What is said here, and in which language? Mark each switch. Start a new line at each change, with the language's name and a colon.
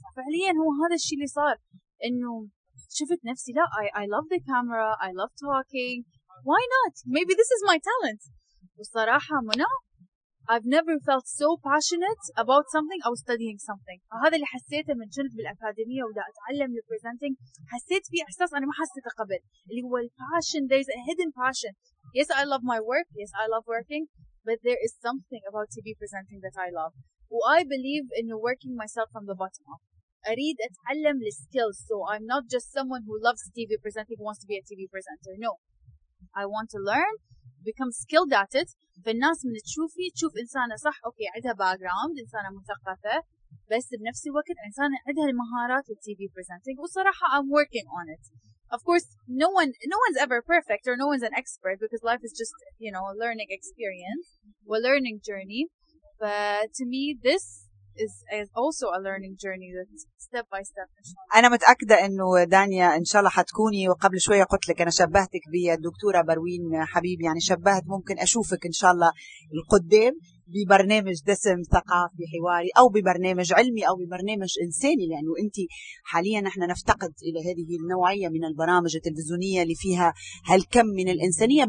Arabic: فعلياً هو هذا الشيء اللي صار، إنه شفت نفسي لا
English: I love the camera، I love talking، why not؟ Maybe this is my talent.
Arabic: وصراحة منى
English: I've never felt so passionate about something or studying something.
Arabic: هذا اللي حسيته من جنب بالأكاديمية ودا أتعلم presenting، حسيت فيه إحساس أنا ما حسيته قبل اللي هو passion.
English: There's a hidden passion. Yes, I love my work. Yes, I love working. But there is something about TV presenting that I love. And I believe in working myself from the bottom up.
Arabic: أريد أتعلم
English: the skills. So I'm not just someone who loves TV presenting, wants to be a TV presenter. No, I want to learn. Become skilled at it.
Arabic: فالناس من تشوفي تشوف إنسانة صح أوكي عندها background إنسانة مثقفة، بس بنفس الوقت إنسانة عندها المهارات في TV presenting. وصراحة
English: I'm working on it. Of course no one's ever perfect or no one's an expert because life is just a learning experience, a learning journey. But to me this is also a learning journey that step by step.
Arabic: أنا متأكدة إنه دانيا إن شاء الله حتكوني، وقبل شوية قلت لك أنا شبهتك بالدكتورة بروين حبيب، يعني شبهت ممكن أشوفك إن شاء الله القدام ببرنامج دسم ثقافي حواري أو ببرنامج علمي أو ببرنامج إنساني، لأنه يعني أنت حاليا نحن نفتقد إلى هذه النوعية من البرامج التلفزيونية اللي فيها هالكم من الإنسانية.